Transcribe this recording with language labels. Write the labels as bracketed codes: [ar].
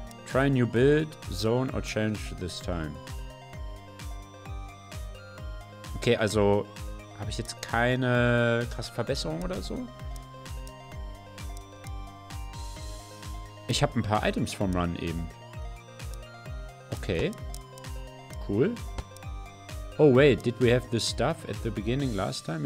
[en] Try a new build, zone or change this time. [de] Okay, also habe ich jetzt keine krasse Verbesserung oder so? Ich habe ein paar Items vom Run eben. [en] Okay. Cool. Oh wait, did we have this stuff at the beginning last time?